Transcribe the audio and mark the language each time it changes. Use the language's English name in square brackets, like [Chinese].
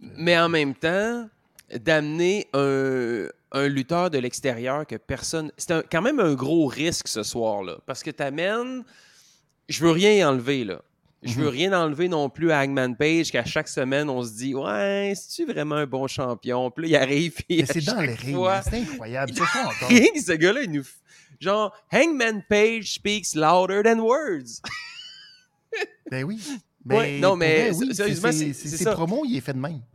[French] Mais en même temps, d'amener un lutteur de l'extérieur que personne... C'est quand même un gros risque ce soir-là, parce que t'amènes... Je veux rien enlever, là. Je veux rien enlever non plus à Hangman Page, qu'à chaque semaine, on se dit « Ouais, c'est-tu vraiment un bon champion? » Puis là, il arrive et c'est dans le ring, fois, c'est incroyable. C'est ça encore. Ring, ce gars-là, il nous... Genre, [English] Hangman Page speaks louder than words. [French] Ben oui. Mais sérieusement, c'est ça. Ses promos, il est fait de même.